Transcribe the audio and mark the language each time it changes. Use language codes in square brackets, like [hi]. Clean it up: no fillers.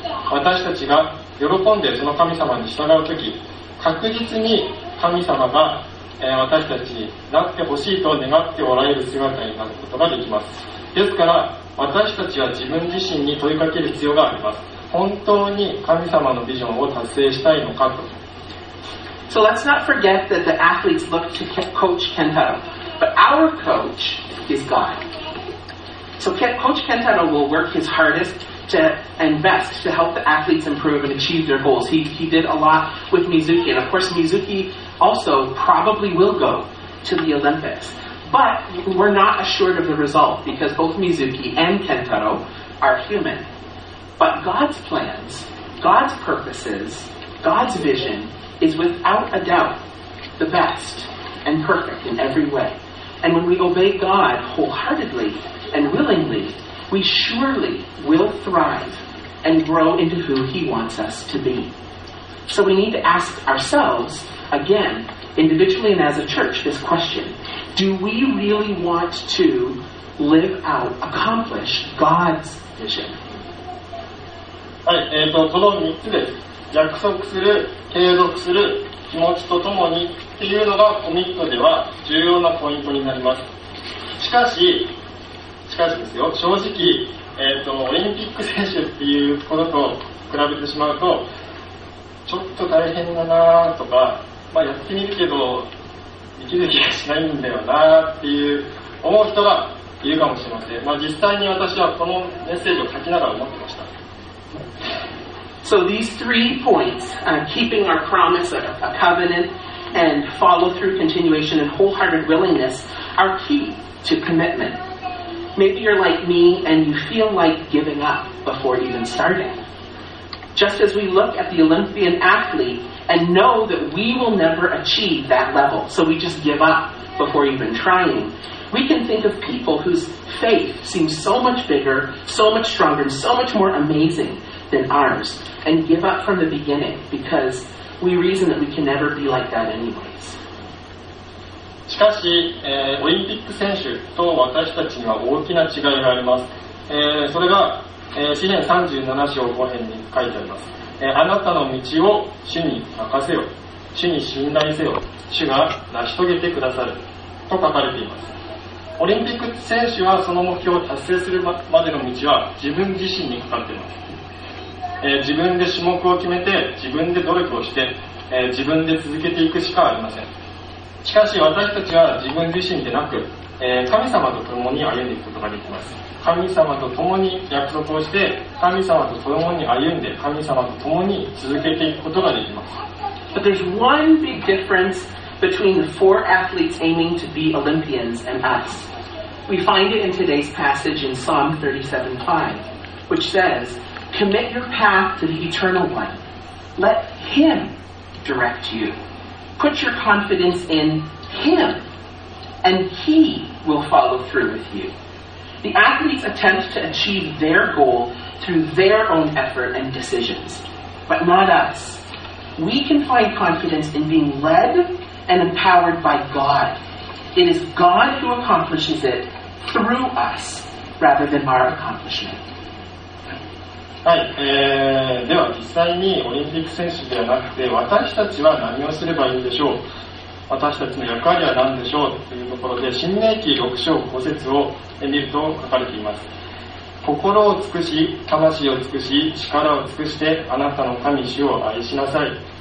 [ja] 私たちが喜んでその神様に従うとき、確実に神様が、私たちになってほしいと願っておられる姿になることができます。ですから私たちは自分自身に問いかける必要があります。本当に神様のビジョンを達成したいのかと。 [en] So let's not forget that the athletes look to Coach Kentaro, but our coach is God. So Coach Kentaro will work his hardestand best to help the athletes improve and achieve their goals. He did a lot with Mizuki, and of course Mizuki also probably will go to the Olympics. But we're not assured of the result, because both Mizuki and Kentaro are human. But God's plans, God's purposes, God's vision is without a doubt the best and perfect in every way. And when we obey God wholeheartedly and willingly,we surely will thrive and grow into who he wants us to be. So we need to ask ourselves again, individually and as a church, this question. Do we really want to live out, accomplish God's vision? [ja] はい、この3つです。約束する、継続する、気持ちとともにっていうのがコミットでは重要なポイントになります。しかしですよ、正直、オリンピック選手っていうことと比べてしまうと、ちょっと大変だなとか、まあ、やってみるけどできる気がしないんだよなっていう思う人がいるかもしれません。まあ、実際に私はこのメッセージを書きながら思ってました。 [en] So these three points, keeping our promise of a covenant and follow through continuation and wholehearted willingness are key to commitment. Maybe you're like me and you feel like giving up before even starting. Just as we look at the Olympian athlete and know that we will never achieve that level, so we just give up before even trying, we can think of people whose faith seems so much bigger, so much stronger, and so much more amazing than ours, and give up from the beginning because we reason that we can never be like that anyways. [ja] しかし、オリンピック選手と私たちには大きな違いがあります。それが、詩篇37章5編に書いてあります。あなたの道を主に任せよ、主に信頼せよ、主が成し遂げてくださると書かれています。オリンピック選手はその目標を達成するまでの道は自分自身にかかっています。自分で種目を決めて、自分で努力をして、自分で続けていくしかありません。しかし私たちは自分自身でなく、神様と共に歩んでいくことができます。神様と共に約束をして、神様と共に歩んで、神様と共に続けていくことができます。 [en] But there's one big difference between the four athletes aiming to be Olympians and us. We find it in today's passage in Psalm 37:5, which says, commit your path to the Eternal One. Let Him direct you. Put your confidence in Him, and He will follow through with you. The athletes attempt to achieve their goal through their own effort and decisions, but not us. We can find confidence in being led and empowered by God. It is God who accomplishes it through us rather than our accomplishment. [ja] はい、では実際にオリンピック選手ではなくて私たちは何をすればいいんでしょう、私たちの役割は何でしょうというところで新明記6章5節を見ると書かれています。心を尽くし、魂を尽くし、力を尽くしてあなたの神主を愛しなさい。